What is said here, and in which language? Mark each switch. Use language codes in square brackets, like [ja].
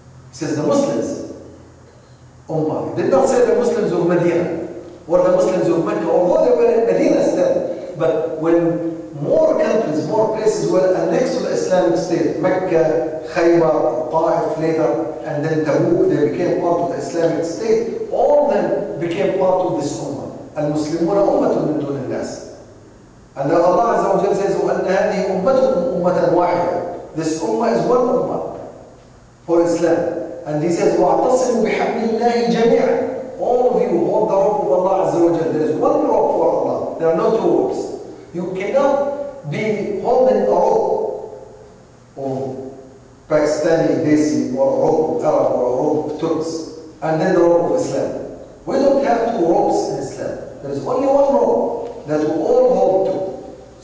[en] He says, the Muslims, ummah. He did not say the Muslims of Medina, or the Muslims of Mecca, although they were in Medina still. But when more countries, more places were annexed to the Islamic State, Mecca, Khaybar, Taif later, and then Tabuk, they became part of the Islamic State, all of them became part of this Ummah. [ar] المسلمون أمة من دون الناس. [en] And Allah Azza wa Jalla says, [ar] وأن هذه أمتكم أمة واحدة. [en] This ummah is one ummah for Islam. And he says, [ar] وَاعْتَصِمُوا بِحَبْلِ اللَّهِ جَمِيعًا. [en] All of you hold the rope of Allah Azza wa Jalla. There is one rope for Allah. There are no two ropes. You cannot be holding a rope of Pakistani Desi, or a rope of Arab, or a rope of Turks, and then the rope of Islam. We don't have two ropes in Islam. There is only one rope that we all hold to.